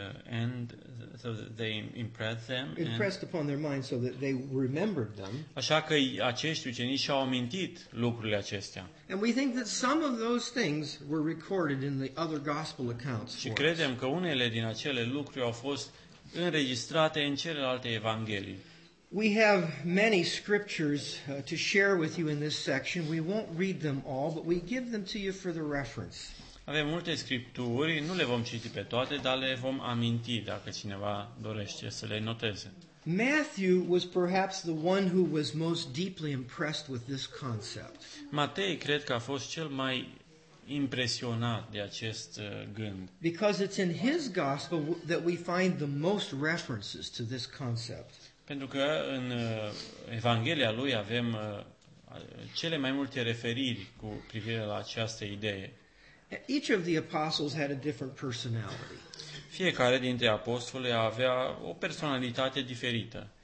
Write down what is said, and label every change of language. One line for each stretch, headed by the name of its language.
English: And so they impressed them. Impressed upon their minds so that they remembered them.
Romanian: Așa că acești ucenici și-au amintit lucrurile acestea.
English: And we think that some of those things were recorded in the other gospel accounts.
Romanian: Și credem că unele din acele lucruri au fost înregistrate în celelalte evanghelii.
English: We have many scriptures to share with you in this section. We won't read them all, but we give them to you for the reference.
Romanian: Avem multe scripturi, nu le vom citi pe toate, dar le vom aminti dacă cineva dorește să le noteze.
English: Matthew was perhaps the one who was most deeply impressed with this concept.
Romanian: Matei cred că a fost cel mai impresionat de acest gând.
English: Because it's in his gospel that we find the most references to this concept.
Romanian: Pentru că în Evanghelia lui avem cele mai multe referiri cu privire la această idee.
English: Each of the apostles had a different personality.
Romanian: Fiecare dintre apostoli avea o personalitate diferită.